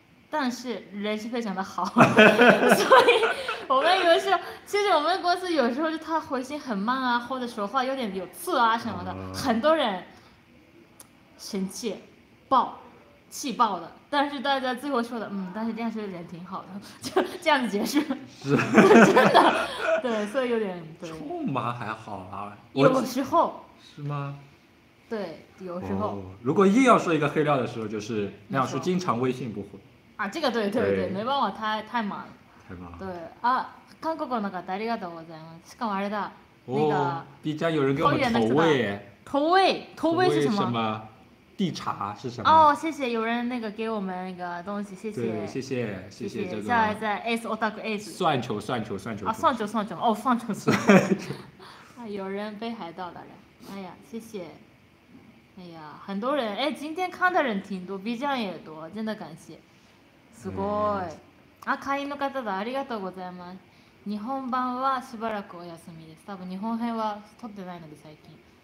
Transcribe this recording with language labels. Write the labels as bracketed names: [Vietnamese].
[Chinese] 但是人是非常的好，所以我们有时候，其实我们公司有时候就他回信很慢啊，或者说话有点有刺啊什么的，很多人生气爆气爆的，但是大家最后说的，但是这样说的人挺好的，就这样子结束，是真的，对，所以有点对。臭骂还好啊，有时候是吗？对，有时候、如果硬要说一个黑料的时候，就是那样说，经常微信不回。あ、这个对对对、没办法、太忙了。太忙了。 [Japanese] 对、あ、韓国の方ありがとうございます。しかもあれだ、那个。 [Chinese] B ちゃん有人给我们投喂。投喂、投喂是什么？什么？地茶是什么？哦，谢谢有人那个给我们那个东西，谢谢。对，谢谢谢谢这个。下来在 S Otaku S。算球算球算球。啊，算球算球，哦，算球算球。啊，有人北海道的人，哎呀，谢谢。哎呀，很多人，哎，今天看的人挺多 ，B ちゃん也多，真的感谢。 [Japanese] すごい。あ、会員の方だ。ありがとうございます。日本版はしばらくお休みです。多分日本編は撮ってないので最近。